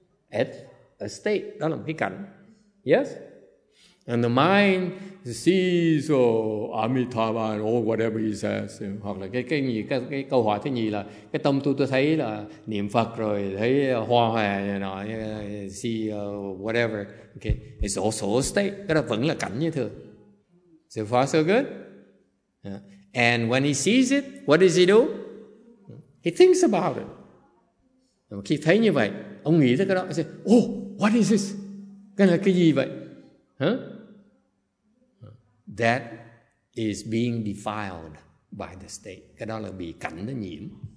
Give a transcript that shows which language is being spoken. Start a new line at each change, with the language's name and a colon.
English: It's a state.
Vietnamese: Đó là một cái cảnh. Yes.
English: And the mind sees Amitabha and all whatever he says.
Vietnamese: Hoặc là cái câu hỏi thứ nhì là cái tâm tôi thấy là niệm Phật rồi thấy hoa hòe
English: you know, see whatever. Okay, it's also a state.
Vietnamese: Cái đó vẫn là cảnh như thường.
English: So far so good. Yeah. And when he sees it, what does he do? He thinks about it.
Vietnamese: Khi thấy như vậy, ông nghĩ tới cái đó.
English: He says, oh, what is this?
Vietnamese: Cái là cái gì vậy?
English: Huh? That is being defiled by the state.
Vietnamese: Cái đó là bị cảnh nó nhiễm.